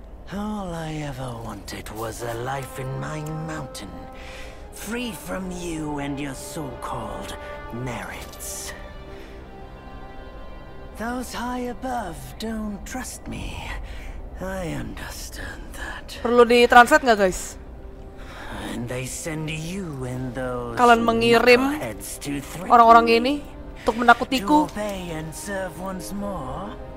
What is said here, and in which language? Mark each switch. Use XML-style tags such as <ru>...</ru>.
<en>All I ever wanted was a life in my mountain, free from you and your so-called merits. Those high above don't trust me. I understand that.</en> <id>Perlu di translate nggak guys?</id> <en>And they send you and those.</en> <id>Kalian mengirim orang-orang ini untuk menakutiku.</id> <en>To obey and serve once more.</en>